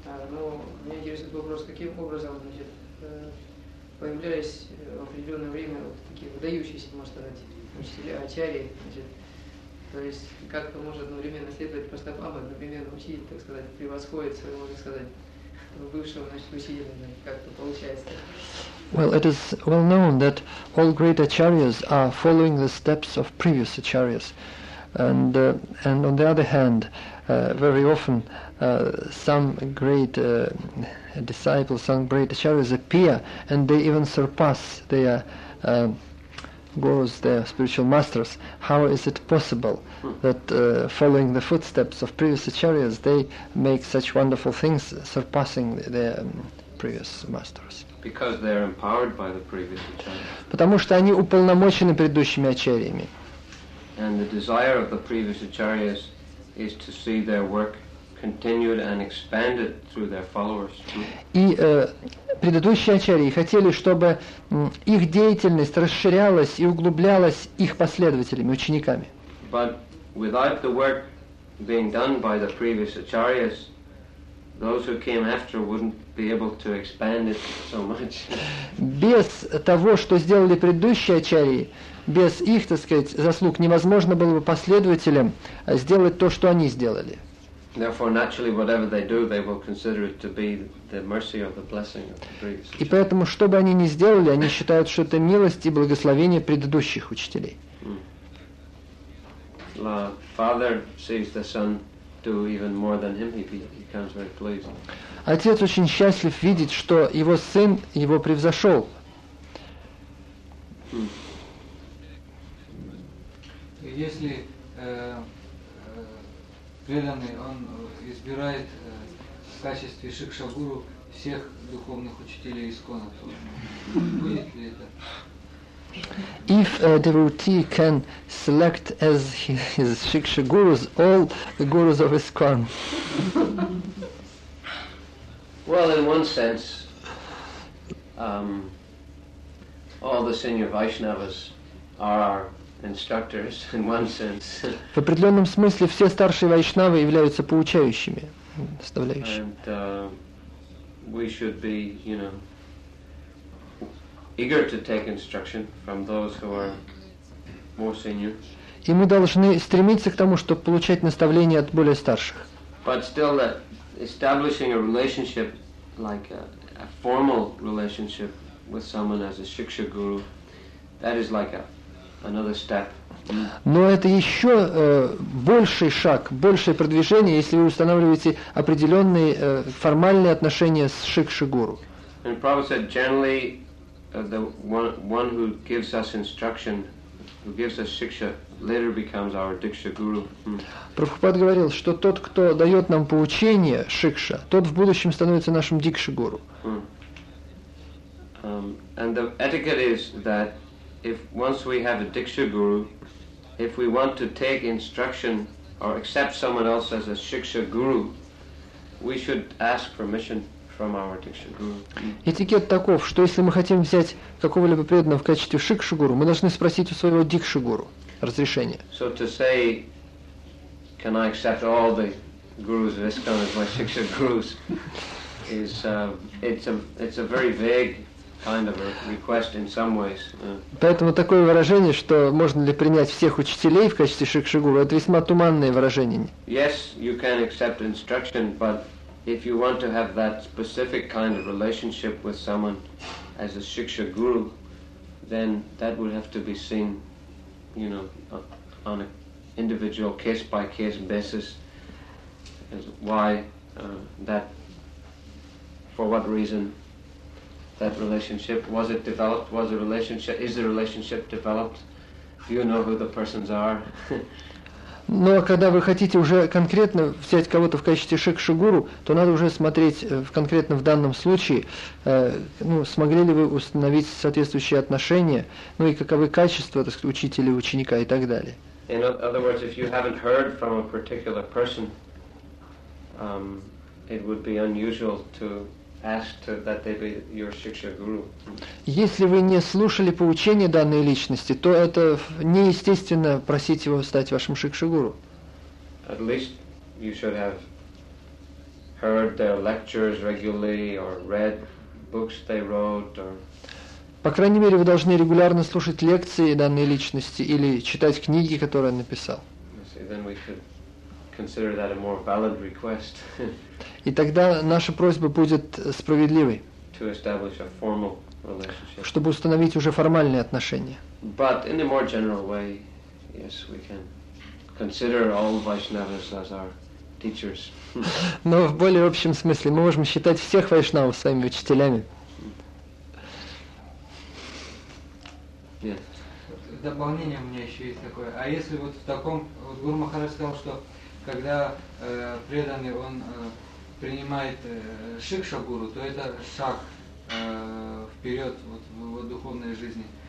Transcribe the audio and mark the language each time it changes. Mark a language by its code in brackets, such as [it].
[ru] Но меня интересует вопрос, каким образом, значит, появлялись в определенное время вот такие выдающиеся, можно сказать, учителя, ачарьи, значит, то есть как кто может одновременно следовать по стопам, одновременно учить, так сказать, превосходит своего, можно сказать, бывшего, значит, учителя, как-то получается. [en] Well, it is well known that all great acharyas are following the steps of previous acharyas, and on the other hand, very often some great disciples, some great acharyas appear, and they even surpass their gurus, their spiritual masters. How is it possible that following the footsteps of previous acharyas, they make such wonderful things, surpassing their previous masters? Because they are empowered by the previous acharyas. [ru] Потому что они уполномочены предыдущими ачарьями. [en] And the desire of the previous acharyas is to see their work continued and expanded through their followers. [ru] И предыдущие ачарьи хотели, чтобы их деятельность расширялась и углублялась их последователями, учениками. [en] But without the work being done by the previous acharyas, those who came after wouldn't be able to expand it so much. [ru] Без того, что сделали предыдущие ачарьи, без их, так сказать, заслуг, невозможно было бы последователям сделать то, что они сделали. [en] Therefore, naturally, whatever they do, they will consider it to be the mercy or the blessing of the previous. [ru] И поэтому, что бы они ни сделали, они считают, что это милость и благословение предыдущих учителей. [en] The father sees the son do even more than him. He becomes very pleased. [ru] Отец очень счастлив видеть, что его сын его превзошел. Если преданный, он избирает в качестве шикшагуру всех духовных учителей искона, то будет ли это? [en] If a devotee can select as his shiksha gurus all the gurus of ISKCON. Well, in one sense, all the senior Vaishnavas are our instructors in one sense. [ru] В определенном смысле все старшие вайшнавы являются поучающими, наставляющими. [en] And we should be, you know, eager to take instruction from those who are more senior. [ru] И мы должны стремиться к тому, чтобы получать наставления от более старших. [en] But still, establishing a relationship, like a formal relationship with someone as a shiksha guru, that is like another step. [ru] Но это еще больший шаг, большее продвижение, если вы устанавливаете определенные формальные отношения с шикши гуру. [en] And Prabhupada said, generally, the one who gives us instruction, who gives us shiksha, later becomes our diksha guru. [ru] Прабхупад говорил, что тот, кто дает нам поучение шикша, тот в будущем становится нашим дикши гуру. [en] And the etiquette is that if once we have a diksha guru, if we want to take instruction or accept someone else as a shiksha guru, we should ask permission from our diksha guru. [ru] Этикет таков, что если мы хотим взять какого-либо преданного в качестве шикши гуру, мы должны спросить у своего дикши гуру разрешение. [en] So to say, can I accept all the gurus of ISKCON as my shiksha gurus? It's a very vague kind of a request in some ways. [ru] Поэтому такое выражение, что можно ли принять всех учителей в качестве шикши гуру, это весьма туманное выражение. [en] Yes, you can accept instruction, but if you want to have that specific kind of relationship with someone as a shiksha guru, then that would have to be seen, you know, on an individual case by case basis, as why that, for what reason that relationship was it developed, was the relationship, is the relationship developed, do you know who the persons are? [ru] Но когда вы хотите уже конкретно взять кого-то в качестве шикши-гуру, то надо уже смотреть конкретно в данном случае, ну, смогли ли вы установить соответствующие отношения, ну и каковы качества, так сказать, учителя, ученика и так далее. [en] In other words, if you haven't heard from a particular person, it would be unusual to ask to, that they be your shiksha-guru. [ru] Если вы не слушали поучения данной личности, то это неестественно просить его стать вашим шикши-гуру. [en] At least you should have heard their lectures regularly or read books they wrote or... [ru] По крайней мере, вы должны регулярно слушать лекции данной личности или читать книги, которые он написал. [en] Then we could consider that a more valid request. [ru] И тогда наша просьба будет справедливой, [en] to establish a formal relationship. [ru] Чтобы установить уже формальные отношения. [en] But in a more general way, yes, we can consider all Vaishnavas as our teachers. [ru] Но в более общем смысле мы можем считать всех вайшнавов своими учителями. Нет. В дополнение у меня еще есть такое. А если вот в таком... Вот Гуру Махарадж сказал, что когда преданный, он принимает шикша-гуру, то это шаг вперед вот, в его духовной жизни.